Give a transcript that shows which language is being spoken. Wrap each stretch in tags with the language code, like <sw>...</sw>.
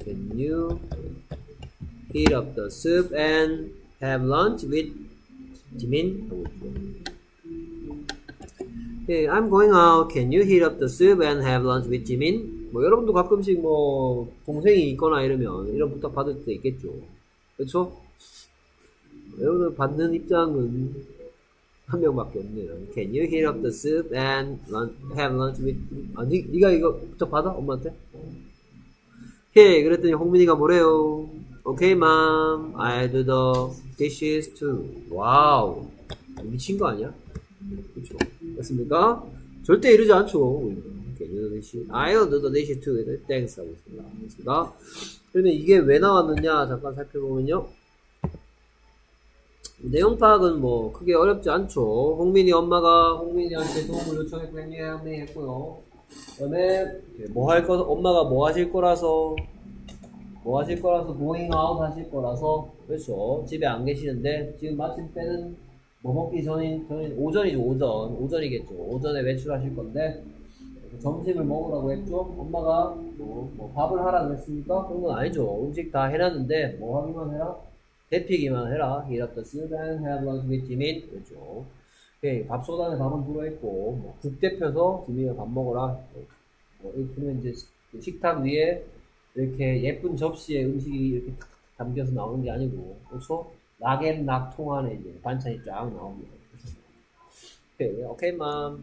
<en>Can you heat up the soup and have lunch with Jimin? 네, I'm going out. Can you heat up the soup and have lunch with Jimin?</en> <ko>뭐 여러분도 가끔씩 뭐 동생이 있거나 이러면 이런 부탁 받을 때 있겠죠. 그렇죠? 여러분들 받는 입장은 한 명밖에 없네요.</ko> <en>Can you heat up the soup and lunch, have lunch with?</en> <ko>아, 네가 이거 부탁 받아 엄마한테? 오케이. 그랬더니 홍민이가 뭐래요?</ko> <en>Okay, mom, I do the dishes too.</en> <ko>와우, 미친 거 아니야? 그렇죠? 맞습니까? 절대 이러지 않죠.</ko> <en>Can you do the dishes? I'll do the dishes too.</en> <ko>Thanks 하고 있습니다. 그러면 이게 왜 나왔느냐? 잠깐 살펴보면요. 내용 파악은 뭐 크게 어렵지 않죠. 홍민이 엄마가 홍민이한테 도움을 요청했고 했고요. 그다음에 뭐할 거, 엄마가 뭐 하실 거라서</ko> <en>going out</en> <ko>하실 거라서 그렇죠. 집에 안 계시는데 지금 마침 때는 뭐 먹기 전인 오전이죠. 오전이겠죠. 오전에 외출하실 건데 점심을 먹으라고 했죠. 엄마가 뭐 밥을 하라고 했습니까? 그런 건 아니죠. 음식 다 해놨는데 뭐 하기만 해라. 데피기만 해라.</ko> <en>Heat up the soup and have lunch with Jimmy.</en> <ko>그렇죠. 오케이. 밥솥 안에 밥은 들어있고, 뭐, 국 데펴서 Jimmy가 밥 먹어라. 뭐, 이렇게 하면 이제 식탁 위에 이렇게 예쁜 접시에 음식이 이렇게 담겨서 나오는 게 아니고, 그렇죠? 락앤 락통 안에 이제 반찬이 쫙 나옵니다. 오케이, 맘.</ko>